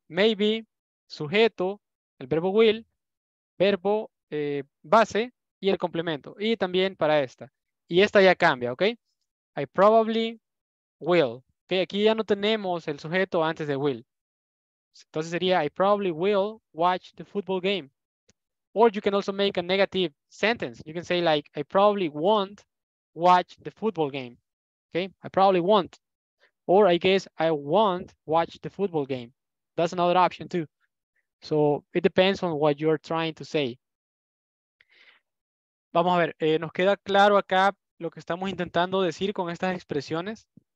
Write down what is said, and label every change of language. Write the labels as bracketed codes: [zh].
[es] Maybe, sujeto, el verbo will, verbo base y el complemento. Y también para esta. Y esta ya cambia, ¿ok? [en] I probably will. [es] Okay, aquí ya no tenemos el sujeto antes de will. Entonces sería, [en] I probably will watch the football game. Or you can also make a negative sentence. You can say like, I probably won't watch the football game. Okay, I probably won't. Or I guess I won't watch the football game. That's another option too. So it depends on what you're trying to say. [es] Vamos a ver, ¿nos queda claro acá lo que estamos intentando decir con estas expresiones?